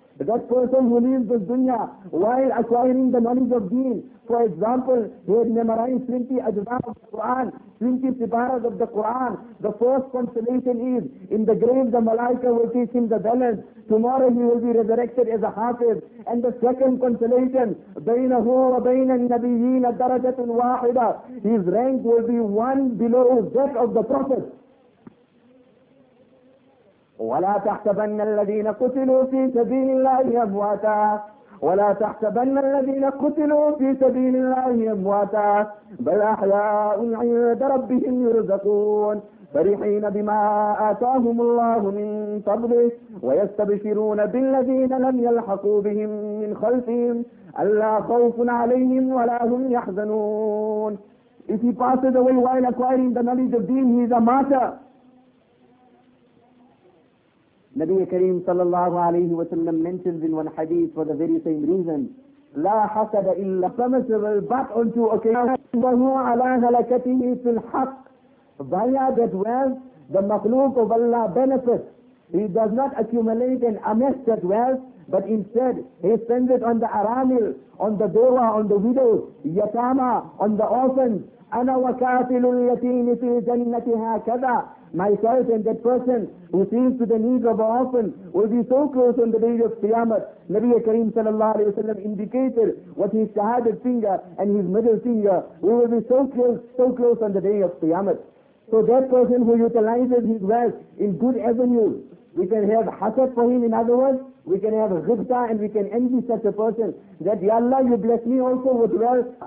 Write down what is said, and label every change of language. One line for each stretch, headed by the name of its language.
English: That person who leaves this dunya while acquiring the knowledge of deen. For example, he had memorized 20 ajza of the Quran, 20 sibaras of the Quran. The first consolation is, in the grave the malaika will teach him the balance. Tomorrow he will be resurrected as a hafiz. And the second consolation,
Arabic: بَيْنَهُ وَبَيْنَ النَّبِيِّينَ دَرَجَةٌ وَاحِدَةٌ.
English: His rank will be one below that of the Prophet.
Arabic: ولا تحسبن الذين قتلوا في سبيل الله أمواتا ولا تحسبن الذين قتلوا في سبيل الله أمواتا بل أحياء عند ربهم يرزقون فرحين بما آتاهم الله من فضله ويستبشرون بالذين لم يلحقوا بهم من خلفهم ألا خوف عليهم ولا هم يحزنون.
English: If he passes away while acquiring the knowledge of deen, he is a martyr. Nabi Kareem sallallahu alayhi wa sallam mentions in one hadith for the very same reason,
Arabic: لا حسد إلا
English: permissible but on two occasions.
Arabic: وهو على هلكته في الحق.
English: Via that wealth, the makhluk of Allah benefits. He does not accumulate and amass that wealth, but instead he spends it on the aramil, on the dawa, on the widows, yatama, on the orphans.
Arabic: أنا وكافل اليتيم في جنتها كذا.
English: Myself and that person who seems to the need of an orphan will be so close on the day of Qiyamah. Nabi Kareem sallallahu alayhi wa sallam indicated what his shahadat finger and his middle finger. We will be so close on the day of Qiyamah. So that person who utilizes his wealth in good avenues, we can have hasad for him, in other words, we can have ghibta and we can envy such a person that, Ya Allah, you bless me also with wealth.